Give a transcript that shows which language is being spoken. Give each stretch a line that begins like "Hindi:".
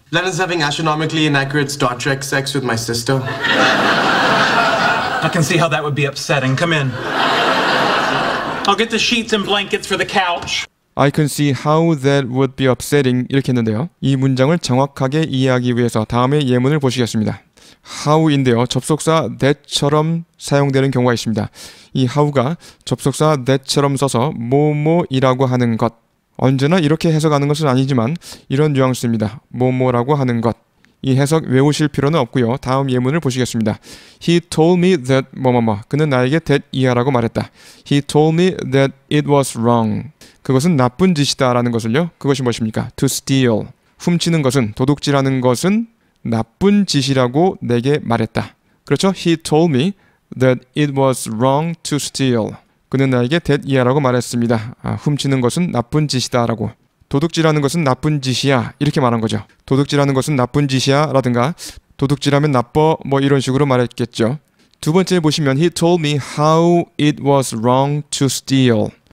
English: Leonard's having astronomically inaccurate Star Trek sex with my sister. I can see how that would be upsetting. Come in. I'll get the sheets and blankets for the couch. I can see how that would be upsetting.
Korean: 이렇게 했는데요. 이 문장을 정확하게 이해하기 위해서 다음의 예문을 보시겠습니다. How인데요. 접속사 that처럼 사용되는 경우가 있습니다. 이 how가 접속사 that처럼 써서 뭐뭐이라고 하는 것. 언제나 이렇게 해석하는 것은 아니지만 이런 뉘앙스입니다. 뭐뭐라고 하는 것. 이 해석 외우실 필요는 없고요. 다음 예문을 보시겠습니다.
English: He told me that
Korean: 뭐뭐뭐. 그는 나에게 that 이하라고 말했다.
English: He told me that it was wrong.
Korean: 그것은 나쁜 짓이다 라는 것을요. 그것이 무엇입니까?
English: To steal.
Korean: 훔치는 것은, 도둑질하는 것은 나쁜 짓이라고 내게 말했다. 그렇죠?
English: He told me that it was wrong to steal.
Korean: 그는 나에게 that 이하라고 말했습니다. 아, 훔치는 것은 나쁜 짓이다 라고. 도둑질하는 것은 나쁜 짓이야 이렇게 말한 거죠. 도둑질하는 것은 나쁜 짓이야 라든가 도둑질하면 나빠 뭐 이런 식으로 말했겠죠. 두 번째 보시면
English: He told me how it was wrong to steal.